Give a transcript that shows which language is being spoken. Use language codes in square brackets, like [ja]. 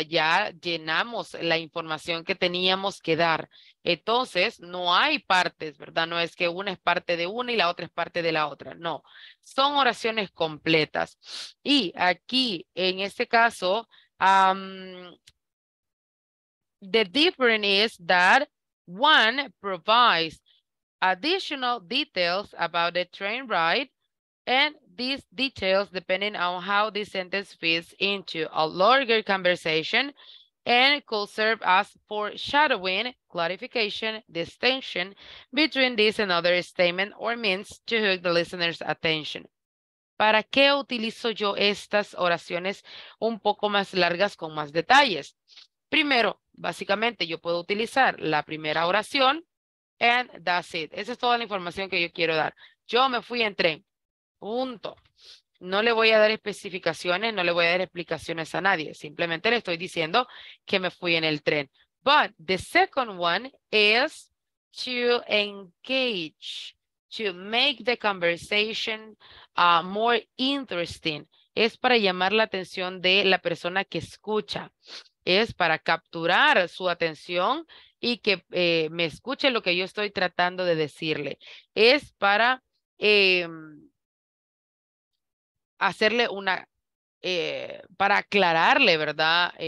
[es] Ya llenamos la información que teníamos que dar. Entonces, no hay partes, ¿verdad? No es que una es parte de una y la otra es parte de la otra. No, son oraciones completas. Y aquí, en este caso, [en] the difference is that one provides additional details about the train ride and these details depending on how this sentence fits into a longer conversation and could serve as foreshadowing, clarification, distinction between this and other statement or means to hook the listener's attention. [es] ¿Para qué utilizo yo estas oraciones un poco más largas con más detalles? Primero, básicamente yo puedo utilizar la primera oración [en] and that's it. [es] Esa es toda la información que yo quiero dar. Yo me fui en tren. Punto. No le voy a dar especificaciones, no le voy a dar explicaciones a nadie. Simplemente le estoy diciendo que me fui en el tren. [en] But the second one is to engage, to make the conversation more interesting. [es] Es para llamar la atención de la persona que escucha. Es para capturar su atención y que me escuche lo que yo estoy tratando de decirle. Es para hacerle una, para aclararle, ¿verdad?